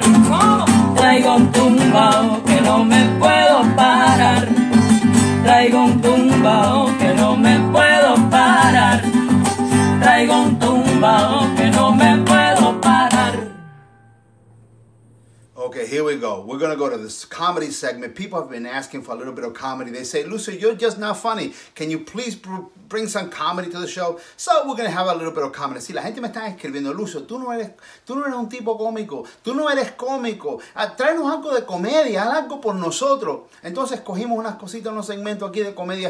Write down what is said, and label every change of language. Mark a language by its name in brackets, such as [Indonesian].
[Spanish] ¿Cómo? Traigo un tumbao que no me puedo parar. Traigo un tumbao que no me puedo parar. Traigo un tumbao que no me puedo parar. [English] Okay, here we go. We're going to go to this comedy segment. People have been asking for a little bit of comedy. They say, Lucio, you're just not funny. Can you please bring some comedy to the show? So we're going to have a little bit of comedy. [Spanish] Si la gente me está escribiendo, Lucio, tú no eres un tipo cómico. Tú no eres cómico. Tráenos algo de comedia. Haz algo por nosotros. Entonces cogimos unas cositas, unos segmentos aquí de comedia.